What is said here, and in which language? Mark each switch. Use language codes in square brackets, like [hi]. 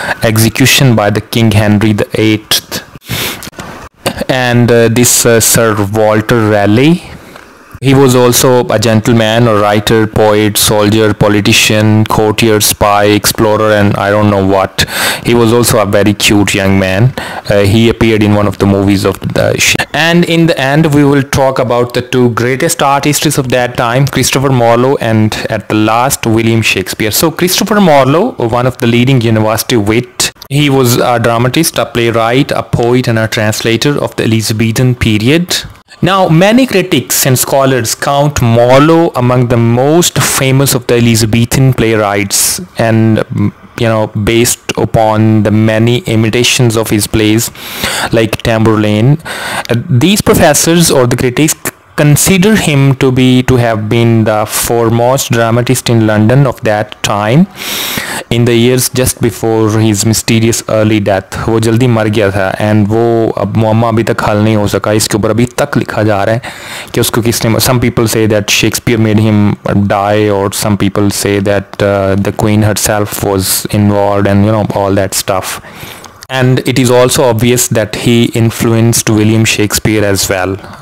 [en] Execution by the king Henry the eight and this Sir Walter Raleigh He was also a gentleman, a writer, poet, soldier, politician, courtier, spy, explorer, and I don't know what. He was also a very cute young man. He appeared in one of the movies of the show. And in the end, we will talk about the two greatest artists of that time, Christopher Marlowe and at the last, William Shakespeare. So Christopher Marlowe, one of the leading university wit, he was a dramatist, a playwright, a poet, and a translator of the Elizabethan period. Now, many critics and scholars count Marlowe among the most famous of the Elizabethan playwrights and, you know, based upon the many imitations of his plays like Tamburlaine. These professors or the critics consider him to have been the foremost dramatist in London of that time in the years just before his mysterious early death. [ur] وہ جلدی مر گیا تھا [en] and [ur] وہ اب معمہ ابھی تک حل نہیں ہو سکا اس کے اوپر ابھی تک لکھا جا رہا ہے کہ اس کو کس نے [en] some people say that Shakespeare made him die اور some people say that the queen herself was involved and you know all that stuff and it is also obvious that he influenced William Shakespeare as well